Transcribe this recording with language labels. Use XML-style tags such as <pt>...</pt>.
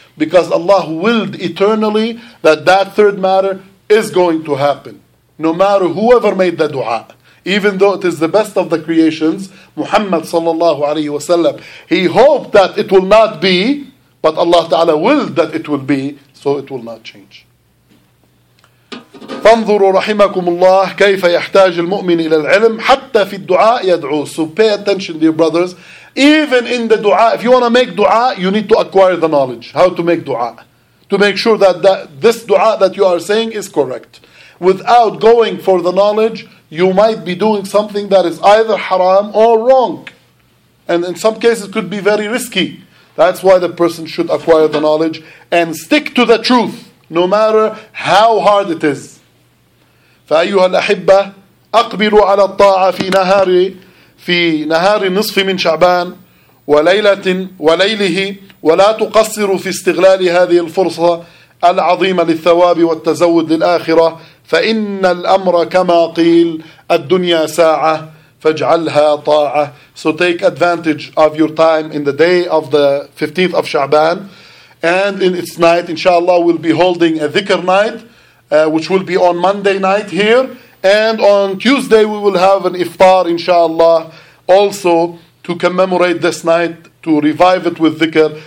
<en>Because Allah willed eternally that third matter is going to happen. No matter whoever made the dua. Even though it is the best of the creations, Muhammad sallallahu alayhi wa sallam, he hoped that it will not be, but Allah Ta'ala willed that it will be, so it will not change.</en> <ar>فانظروا رحمكم الله كيف يحتاج المؤمن إلى العلم حتى في الدعاء يدعو.</ar> <en>So pay attention, dear brothers. Even in the dua, if you want to make dua, you need to acquire the knowledge. How to make dua? To make sure that this dua that you are saying is correct. Without going for the knowledge, you might be doing something that is either haram or wrong. And in some cases, it could be very risky. That's why the person should acquire the knowledge and stick to the truth. No matter how hard it is.</en> <ar>فأيها الأحبة أقبلوا على الطاعة في نهار نصف من شعبان وليلة وليله ولا تقصروا في استغلال هذه الفرصة العظيمة للثواب والتزود للآخرة فإن الأمر كما قيل الدنيا ساعة فاجعلها طاعة.</ar> <en>So take advantage of your time in the day of the 15th of شعبان. And in its night, inshallah, we'll be holding a dhikr night, which will be on Monday night here. And on Tuesday, we will have an iftar, inshallah, also to commemorate this night, to revive it with dhikr.</en>